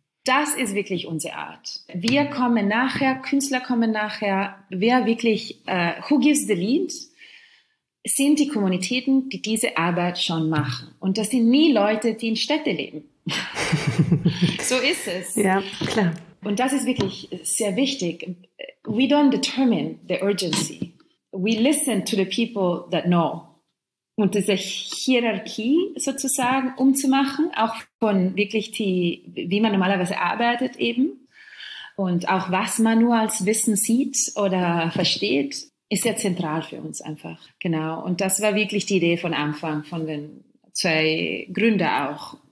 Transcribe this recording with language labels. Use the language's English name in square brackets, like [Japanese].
[German] Das ist wirklich unsere Art. Wir kommen nachher, Künstler kommen nachher. Wer wirklich, [English] who gives the lead, [German] sind die Kommunitäten, die diese Arbeit schon machen. Und das sind nie Leute, die in Städte leben. So ist es. Ja, klar. Und das ist wirklich sehr wichtig. [English] We don't determine the urgency. We listen to the people that know. [German] Und diese Hierarchie sozusagen umzumachen, auch von wirklich die, wie man normalerweise arbeitet eben und auch was man nur als Wissen sieht oder versteht, ist sehr zentral für uns einfach. Genau. Und das war wirklich die Idee von Anfang, von den zwei Gründern auch.